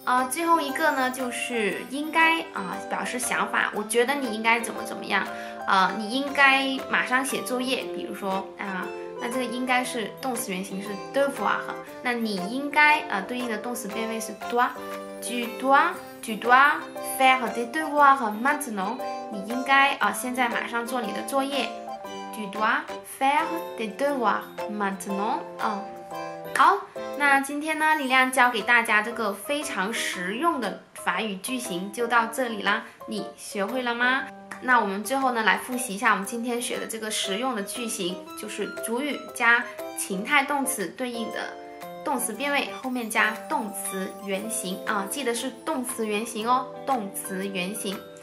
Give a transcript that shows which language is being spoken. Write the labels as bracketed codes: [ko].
[zh] 最后一个呢就是应该表示想法，我觉得你应该怎么怎么样你应该马上写作业，比如说那这个应该是动词原形是 devoir。 那你应该对应的动词变位是 doit， [fr] tu dois tu dois faire des devoirs maintenant. [zh] 你应该啊，现在马上做你的作业。 [fr] Tu dois faire des devoirs maintenant. [zh] 好，那今天呢，李亮教给大家这个非常实用的法语句型就到这里啦。你学会了吗？那我们最后呢，来复习一下我们今天学的这个实用的句型，就是主语加情态动词对应的动词变位，后面加动词原形啊，记得是动词原形哦，动词原形。